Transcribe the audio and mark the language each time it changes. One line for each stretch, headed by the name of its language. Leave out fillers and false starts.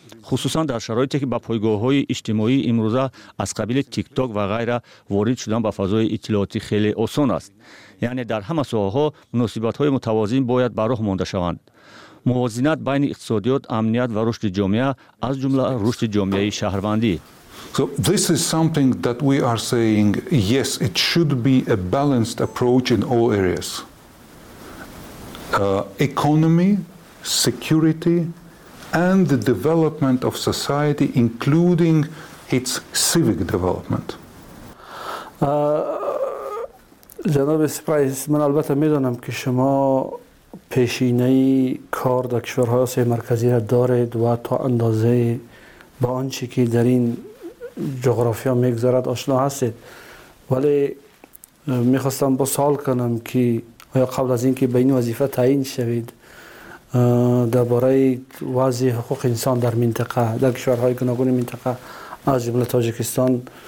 Persian: خصوصا در شرایطی که با پایگاه های اجتماعی امروزه از قبیل تیک تاک و غیره وارد شدن به فضای اطلاعاتی خیلی آسان است. یعنی در همه ساحه‌ها مناسبت های متوازن باید به راه مانده شوند. موازنت بین اقتصادیات، امنیت و رشد جامعه از جمله رشد جامعه شهروندی.
English: So this is something that we are saying, yes, it should be a balanced approach in all areas. Economy, security and the development of society, including its civic development.
Persian: جناب سپاهی، من البته میدونم که شما پیشینه کار در کشورهای آسیای مرکزی را دارید و تا اندازه با آنچه که در این جغرافیا میگذرد آشنا هستید، ولی میخواستم با سوال کنم که آیا قبل از اینکه به این وظیفه تعیین شوید درباره وضع حقوق انسان در منطقه، در کشورهای گوناگون منطقه از جمله تاجیکستان